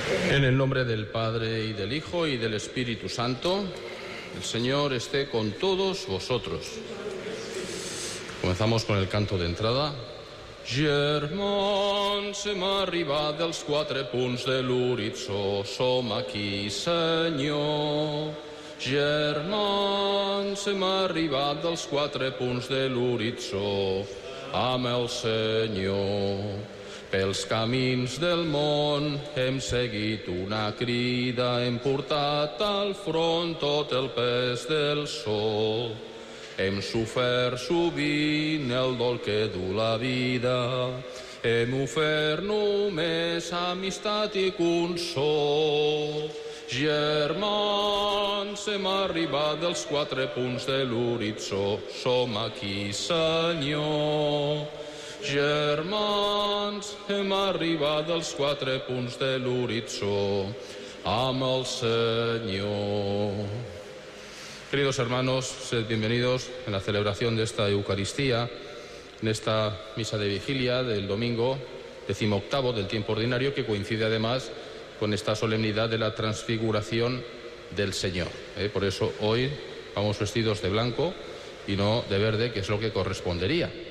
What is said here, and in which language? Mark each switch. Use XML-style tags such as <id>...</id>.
<es>En el nombre del Padre, y del Hijo, y del Espíritu Santo, el Señor esté con todos vosotros. Comenzamos con el canto de entrada.</es> <ca>Germans, hem arribat als quatre punts de l'horitzó, som aquí, Senyor. Germans, hem arribat als quatre punts de l'horitzó, amb el Senyor. Pels camins del món hem seguit una crida, hem portat al front tot el pes del sol. Hem sofert sovint el dol que du la vida, hem ofert només amistat i consol. Germans, hem arribat dels quatre punts de l'horitzó, som aquí, Senyor. Germans, hem arribat als quatre punts de l'horitzó amb el Señor.</ca> <es>Queridos hermanos, sed bienvenidos en la celebración de esta Eucaristía, en esta misa de vigilia del domingo 18º del tiempo ordinario, que coincide además con esta solemnidad de la transfiguración del Señor. Por eso hoy vamos vestidos de blanco y no de verde, que es lo que correspondería.</es>